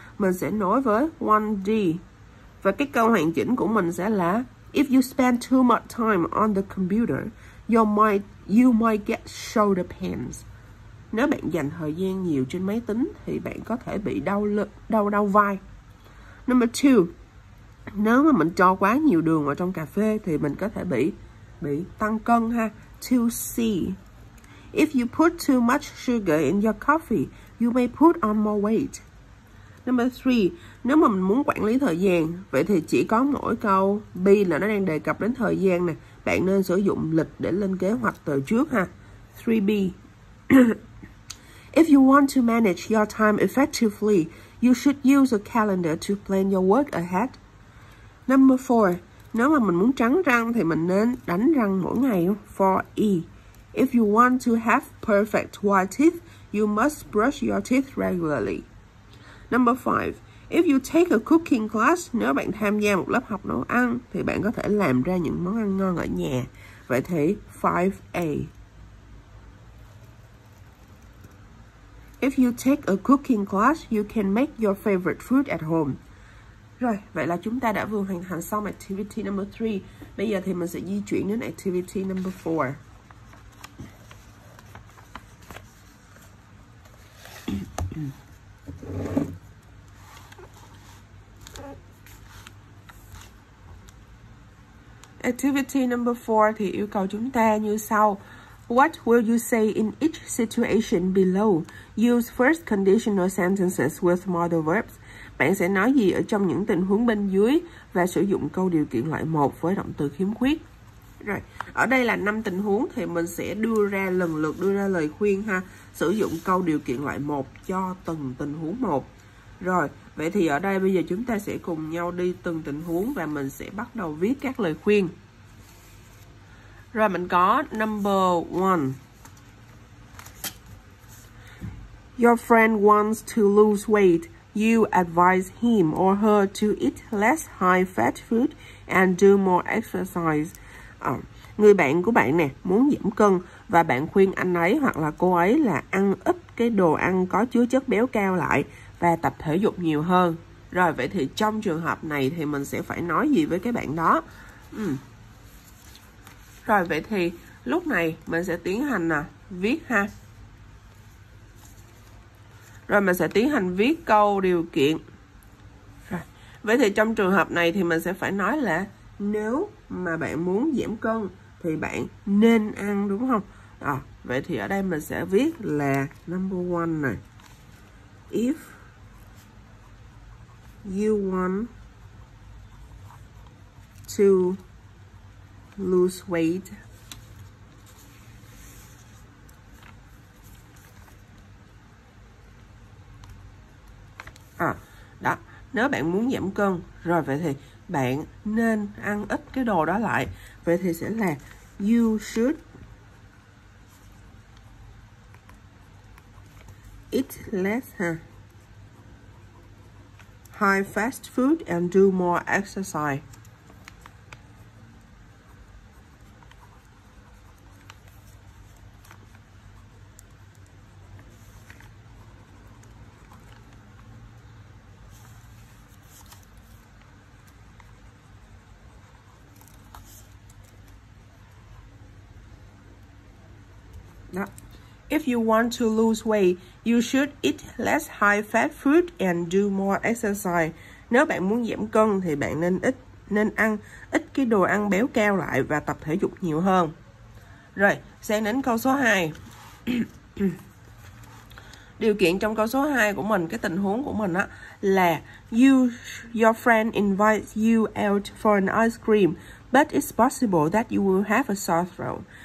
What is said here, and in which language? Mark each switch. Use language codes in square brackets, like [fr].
[vi] Mình sẽ nối với 1D. Và cái câu hoàn chỉnh của mình sẽ là [en] If you spend too much time on the computer, you might get shoulder pains. [vi] Nếu bạn dành thời gian nhiều trên máy tính thì bạn có thể bị đau vai. [en] Number 2. [vi] Nếu mà mình cho quá nhiều đường vào trong cà phê thì mình có thể bị tăng cân ha. 2C. [en] If you put too much sugar in your coffee, you may put on more weight. Number 3. [vi] Nếu mà mình muốn quản lý thời gian, vậy thì chỉ có mỗi câu B là nó đang đề cập đến thời gian nè. Bạn nên sử dụng lịch để lên kế hoạch từ trước ha. 3B. [en] If you want to manage your time effectively, you should use a calendar to plan your work ahead. Number 4. [vi] Nếu mà mình muốn trắng răng thì mình nên đánh răng mỗi ngày. 4E. [en] If you want to have perfect white teeth, you must brush your teeth regularly. Number 5. If you take a cooking class, [vi] nếu bạn tham gia một lớp học nấu ăn, thì bạn có thể làm ra những món ăn ngon ở nhà. Vậy thì 5A. [en] If you take a cooking class, you can make your favorite food at home. [vi] Rồi, vậy là chúng ta đã vừa hoàn thành xong activity number 3. Bây giờ thì mình sẽ di chuyển đến activity number 4. Activity number 4 thì yêu cầu chúng ta như sau. [en] What will you say in each situation below? Use first conditional sentences with modal verbs. [vi] Bạn sẽ nói gì ở trong những tình huống bên dưới và sử dụng câu điều kiện loại 1 với động từ khiếm khuyết. Rồi, ở đây là 5 tình huống thì mình sẽ đưa ra lời khuyên ha. Sử dụng câu điều kiện loại 1 cho từng tình huống 1. Rồi, vậy thì ở đây bây giờ chúng ta sẽ cùng nhau đi từng tình huống và mình sẽ bắt đầu viết các lời khuyên. Rồi, mình có number 1. [en] Your friend wants to lose weight. You advise him or her to eat less high fat food and do more exercise. [vi] Người bạn của bạn nè, muốn giảm cân và bạn khuyên anh ấy hoặc là cô ấy là ăn ít cái đồ ăn có chứa chất béo cao lại và tập thể dục nhiều hơn. Rồi, vậy thì trong trường hợp này thì mình sẽ phải nói gì với cái bạn đó? Rồi, vậy thì lúc này mình sẽ tiến hành viết ha. Rồi, mình sẽ tiến hành viết câu điều kiện. Rồi, vậy thì trong trường hợp này thì mình sẽ phải nói là nếu mà bạn muốn giảm cân thì bạn nên ăn, đúng không? Vậy thì ở đây mình sẽ viết là number 1 này. [en] If you want to lose weight. [vi] À, đó, nếu bạn muốn giảm cân, rồi vậy thì bạn nên ăn ít cái đồ đó lại. Vậy thì sẽ là [en] you should eat less, high fast food and do more exercise. If you want to lose weight, you should eat less high fat food and do more exercise. [vi] Nếu bạn muốn giảm cân thì bạn nên ăn ít cái đồ ăn béo cao lại và tập thể dục nhiều hơn. Rồi, sang đến câu số 2. Điều kiện trong câu số 2 của mình, cái tình huống của mình á là [en] your friend invites you out for an ice cream, but it's possible that you will have a sore throat.